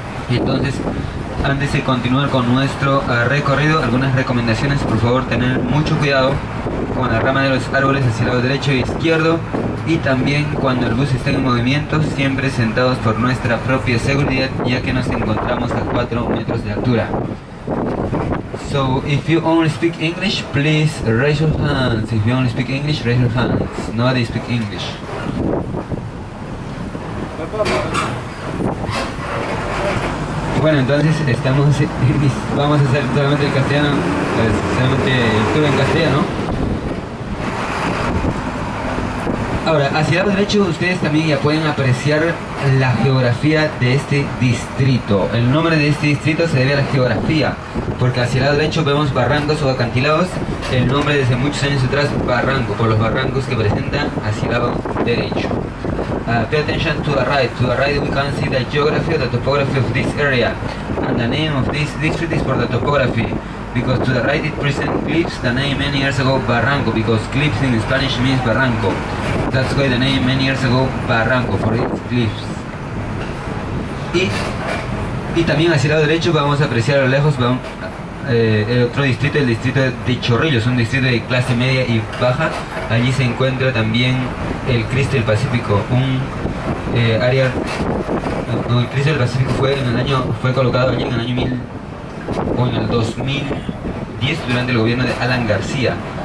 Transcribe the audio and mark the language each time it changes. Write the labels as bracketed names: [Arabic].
[Spanish] Entonces, antes de continuar con nuestro recorrido, algunas recomendaciones. Por favor, tener mucho cuidado con la rama de los árboles hacia el lado derecho e izquierdo, y también cuando el bus esté en movimiento, siempre sentados por nuestra propia seguridad, ya que nos encontramos a 4 metros de altura. [English] So, if you only speak English, please raise your hands. If you only speak English, raise your hands. Nobody speak English. [Spanish] Bueno, entonces estamos, vamos a hacer solamente el castellano, solamente el tour en castellano. Ahora, hacia el lado derecho ustedes también ya pueden apreciar la geografía de este distrito. El nombre de este distrito se debe a la geografía, porque hacia el lado derecho vemos barrancos o acantilados. El nombre desde muchos años atrás, barranco, por los barrancos que presenta hacia el lado derecho. [English] Pay attention to the right. To the right we can see the geography, the topography of this area. And the name of this district is for the topography, because to the right it presents cliffs, the name many years ago, Barranco, because cliffs in Spanish means Barranco. That's why the name many years ago, Barranco, for its cliffs. [Spanish] Y también hacia el lado derecho vamos a apreciar a lo lejos el otro distrito, el distrito de Chorrillos, un distrito de clase media y baja. Allí se encuentra también el Cristo del Pacífico, un área... No, el Cristo del Pacífico fue colocado allí en el año 2010 durante el gobierno de Alan García.